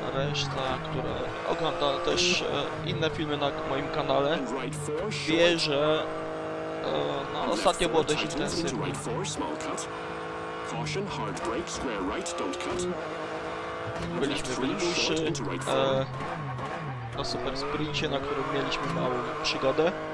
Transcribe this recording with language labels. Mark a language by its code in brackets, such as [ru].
[pl] Reszta, która ogląda też inne filmy na moim kanale, [en] right 4, short, [pl] wie, że no, ostatnio było dość intensywne. [en] Right 4, small cut. Caution, hard break, square right, don't cut. [pl] Byliśmy w Lipuszy, na super sprincie, na którym mieliśmy małą przygodę.